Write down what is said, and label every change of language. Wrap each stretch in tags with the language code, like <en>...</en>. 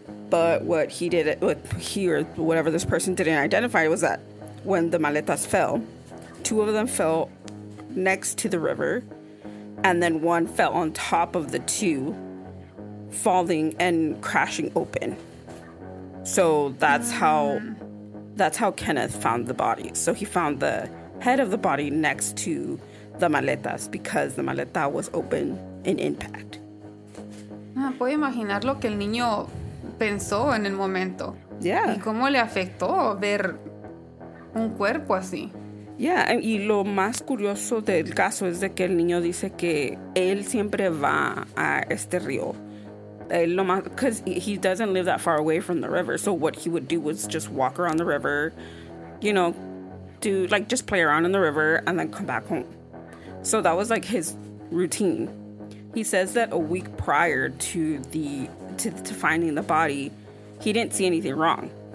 <en>But what he did, whatever this person didn't identify, was that when the maletas fell, two of them fell next to the river, and then one fell on top of the two, falling and crashing open. So that's how... That's how Kenneth found the body. So he found the head of the body next to the maletas because the maleta was open in impact.</en> <es>Puedo imaginar lo que el niño pensó en el momento.</es> <en>Yeah.</en> <es>Y cómo le afectó ver un cuerpo así. Yeah, y lo más curioso del caso es de que el niño dice que él siempre va a este río</es> <en>because he doesn't live that far away from the river. So what he would do was just walk around the river, you know, do like just play around in the river and then come back home. So that was like his routine. He says that a week prior to finding the body, he didn't see anything wrong.</en>